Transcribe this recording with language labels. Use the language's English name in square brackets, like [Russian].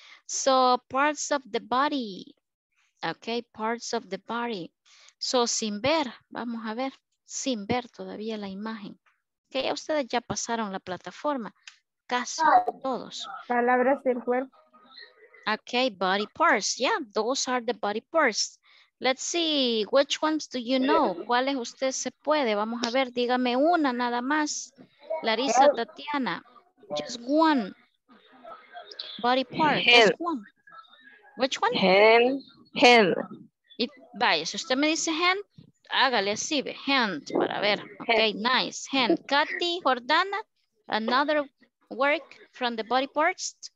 [English] So parts of the body, okay, parts of the body. [Spanish] So sin ver, vamos a ver, sin ver todavía la imagen. Okay, ustedes ya pasaron la plataforma, casi todos. Palabras del cuerpo. [English] Okay, body parts, yeah, those are the body parts. Let's see, which ones do you know? [Spanish] ¿Cuáles usted se puede? Vamos a ver, dígame una nada más. Larissa, Tatiana, [English] just one. Body part. Hand. Which one? Hand. Hand. [Spanish] It, vaya, si usted me dice hand, hágale así, hand, para ver. [English] Okay, hand. Nice. Hand. Katy, Jordana, another work from the body parts.